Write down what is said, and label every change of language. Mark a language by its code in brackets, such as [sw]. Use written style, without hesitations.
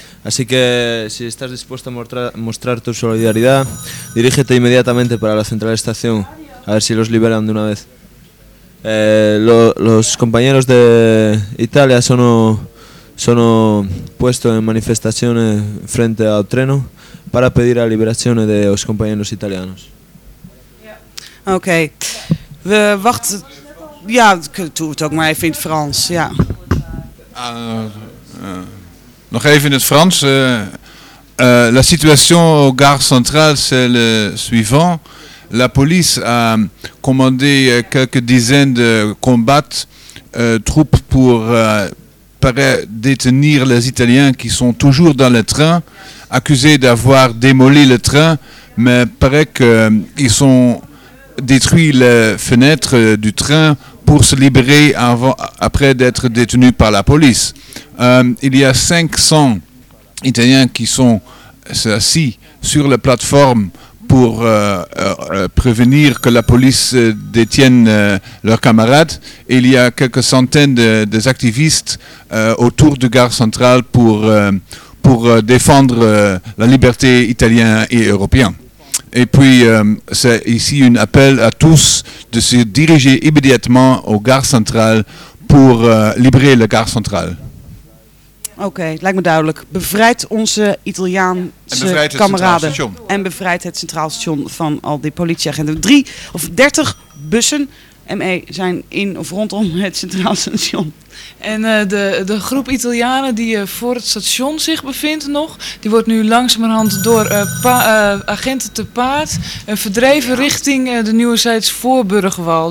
[es] Así que, si estás dispuesto a mostrar tu solidaridad, dirígete inmediatamente para la central de estación, a ver si los liberan de una vez. Los compañeros de Italia son puestos en manifestaciones frente al tren para pedir la liberación de los compañeros italianos. [nl] Ok. We wachten. Ja, doe het ook maar even in het Frans. Ja. Nog even in het Frans. [fr] La situation au gare centrale, c'est le suivant. La police a commandé quelques dizaines de combattants, troupes pour détenir les Italiens qui sont toujours dans le train, accusés d'avoir démoli le train, mais paraît qu'ils ont détruit les fenêtres du train pour se libérer après d'être détenus par la police. Il y a 500 Italiens qui sont assis sur la plateforme pour prévenir que la police détienne leurs camarades. Et il y a quelques centaines des activistes autour de gare centrale pour défendre la liberté italienne et européenne. Et puis, c'est ici un appel à tous de se diriger immédiatement aux gare centrale pour libérer la gare centrale. [nl] Oké, okay, lijkt me duidelijk. Bevrijd onze Italiaanse kameraden. En bevrijd het centraal station van al die politieagenten. 30 bussen ME zijn in of rondom het centraal station. En de groep Italianen die voor het station zich bevindt nog, die wordt nu langzamerhand door agenten te paard verdreven richting de Nieuwezijds Voorburgwal.